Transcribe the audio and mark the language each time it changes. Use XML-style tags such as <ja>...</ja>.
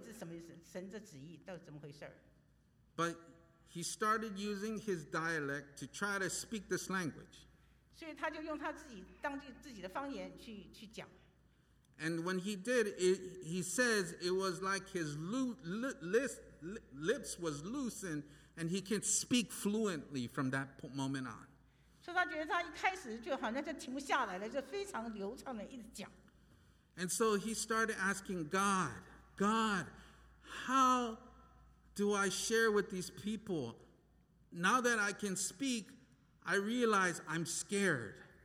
<zh>说当时他并不了解这什么意思，神这旨意到底怎么回事。</zh> <en>But he started using his dialect to try to speak this language.</en> <zh>所以他就用他自己当地自己的方言去讲。</zh> <en>And when he did, he says it was like his lips was loosened and he can speak fluently from that moment on.</en> <zh>所以他觉得他一开始就好像就停不下来了，就非常流畅的一直讲。</zh> <en>And so he started asking God, God, how do I share with these people? Now that I can speak, I realize I'm scared.</en>